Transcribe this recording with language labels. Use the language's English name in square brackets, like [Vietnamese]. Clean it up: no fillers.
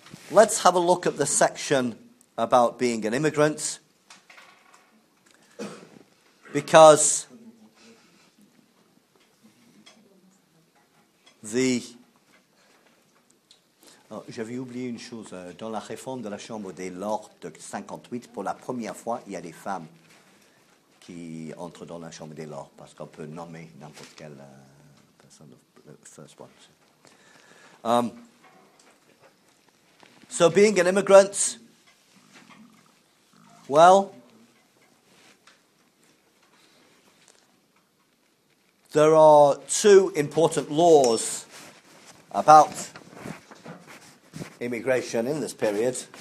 [English] Let's have a look at the section about being an immigrant, because the... [French] J'avais oublié une chose. Dans la réforme de la Chambre des Lords de 58, pour la première fois, il y a des femmes qui entre dans la Chambre des Lords, parce qu'on peut nommer n'importe quelle personne, le [English] first one. So being an immigrant, well, there are two important laws about immigration in this period.